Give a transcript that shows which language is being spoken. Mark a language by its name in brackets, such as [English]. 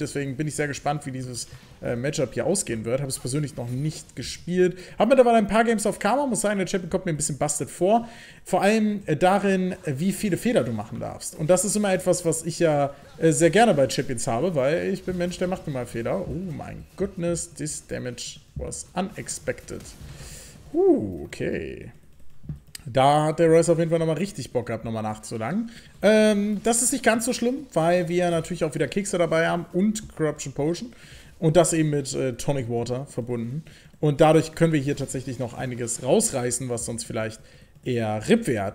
[German] Deswegen bin ich sehr gespannt, wie dieses Matchup hier ausgehen wird. Habe es persönlich noch nicht gespielt. Habe mittlerweile ein paar Games auf Karma. Muss sagen, der Champion kommt mir ein bisschen busted vor. Vor allem darin, wie viele Fehler du machen darfst. Und das ist immer etwas, was ich ja sehr gerne bei Champions habe, weil ich bin Mensch, der macht nun mal Fehler. [English] Oh mein goodness, this damage was unexpected. Okay. [German] Da hat der Royce auf jeden Fall nochmal richtig Bock gehabt, nochmal nachzulangen. Das ist nicht ganz so schlimm, weil wir natürlich auch wieder Kekse dabei haben und Corruption Potion. Und das eben mit Tonic Water verbunden. Und dadurch können wir hier tatsächlich noch einiges rausreißen, was sonst vielleicht eher RIP wäre.